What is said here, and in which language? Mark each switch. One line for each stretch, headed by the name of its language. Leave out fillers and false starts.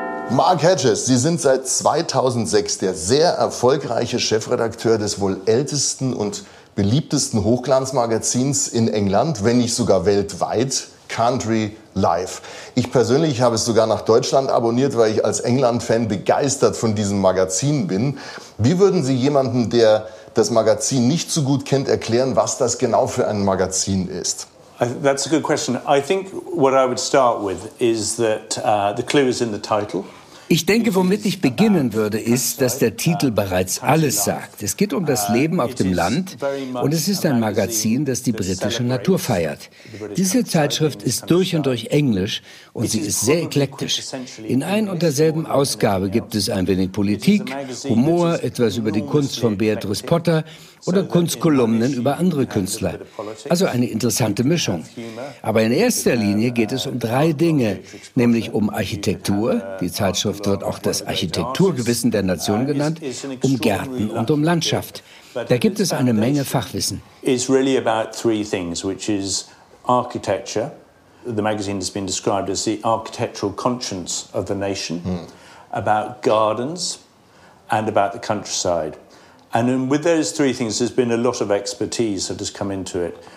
German: Mark Hedges, Sie sind seit 2006 der sehr erfolgreiche Chefredakteur des wohl ältesten und beliebtesten Hochglanzmagazins in England, wenn nicht sogar weltweit, Country Life. Ich persönlich habe es sogar nach Deutschland abonniert, weil ich als England-Fan begeistert von diesem Magazin bin. Wie würden Sie jemanden, der das Magazin nicht so gut kennt, erklären, was das genau für ein Magazin ist?
English: That's a good question. I think what I would start with is that the clue is in the title.
German: Ich denke, womit ich beginnen würde, ist, dass der Titel bereits alles sagt. Es geht um das Leben auf dem Land und es ist ein Magazin, das die britische Natur feiert. Diese Zeitschrift ist durch und durch englisch und sie ist sehr eklektisch. In ein und derselben Ausgabe gibt es ein wenig Politik, Humor, etwas über die Kunst von Beatrice Potter oder Kunstkolumnen über andere Künstler. Also eine interessante Mischung. Aber in erster Linie geht es um drei Dinge, nämlich um Architektur, die Zeitschrift wird auch das Architekturgewissen der Nation genannt, um Gärten und um Landschaft. Da gibt es eine Menge Fachwissen.
English: It's really about three things, which is architecture. The magazine has been described as the architectural conscience of the nation, about gardens and about the countryside. And with those three things, there's been a lot of expertise that has come into it.